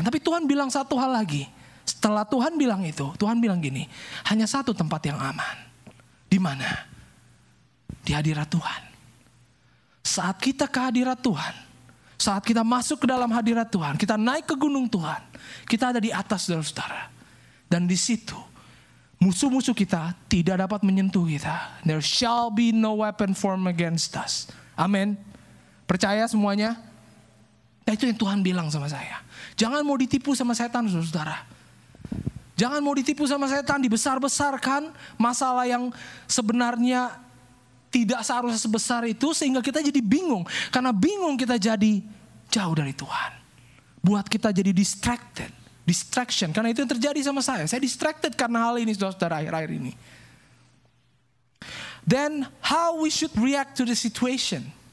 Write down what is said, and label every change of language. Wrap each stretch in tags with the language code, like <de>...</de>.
<id>Tapi Tuhan bilang satu hal lagi. Setelah Tuhan bilang itu, Tuhan bilang gini, hanya satu tempat yang aman. Di mana? Di hadirat Tuhan. Saat kita ke hadirat Tuhan, saat kita masuk ke dalam hadirat Tuhan, kita naik ke gunung Tuhan, kita ada di atas, saudara-saudara. Dan di situ, musuh-musuh kita tidak dapat menyentuh kita.</id> <en>There shall be no weapon formed against us.</en> <id>Amin. Percaya semuanya? Nah, itu yang Tuhan bilang sama saya. Jangan mau ditipu sama setan, saudara-saudara. Jangan mau ditipu sama setan, dibesar-besarkan masalah yang sebenarnya tidak seharusnya sebesar itu, sehingga kita jadi bingung. Karena bingung kita jadi jauh dari Tuhan. Buat kita jadi distracted. Distraction. Karena itu yang terjadi sama saya. Saya distracted karena hal ini, saudara-saudara, akhir-akhir ini.</id> <en>Then, how we should react to the situation?</en>